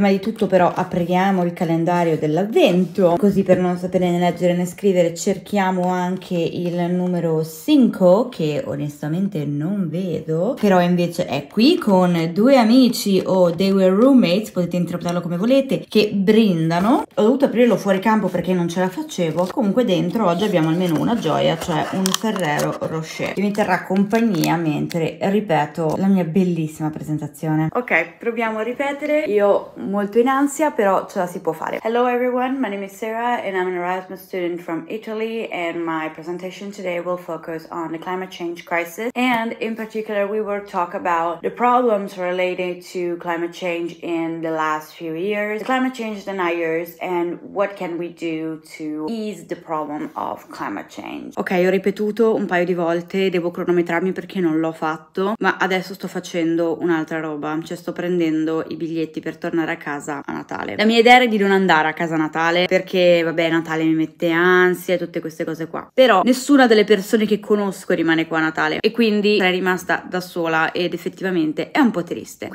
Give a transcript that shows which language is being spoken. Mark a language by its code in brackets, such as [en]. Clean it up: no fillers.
[it] Prima di tutto però apriamo il calendario dell'avvento, così per non sapere né leggere né scrivere cerchiamo anche il numero 5, che onestamente non vedo, però invece è qui con 2 amici, o [en] they were roommates, [it] potete interpretarlo come volete, che brindano. Ho dovuto aprirlo fuori campo perché non ce la facevo. Comunque dentro oggi abbiamo almeno una gioia, cioè un Ferrero Rocher, che mi terrà compagnia mentre ripeto la mia bellissima presentazione. Ok, proviamo a ripetere. Io molto in ansia, però ce la si può fare. [en] Hello everyone, my name is Sarah and I'm an Erasmus student from Italy, and my presentation today will focus on the climate change crisis, and in particular we will talk about the problems related to climate change in the last few years, the climate change deniers, and what can we do to ease the problem of climate change. [it] Ok, ho ripetuto un paio di volte, devo cronometrarmi perché non l'ho fatto, ma adesso sto facendo un'altra roba, cioè sto prendendo i biglietti per tornare a casa a Natale. La mia idea era di non andare a casa a Natale perché vabbè, Natale mi mette ansia e tutte queste cose qua, però nessuna delle persone che conosco rimane qua a Natale e quindi sarei rimasta da sola ed effettivamente è un po' triste.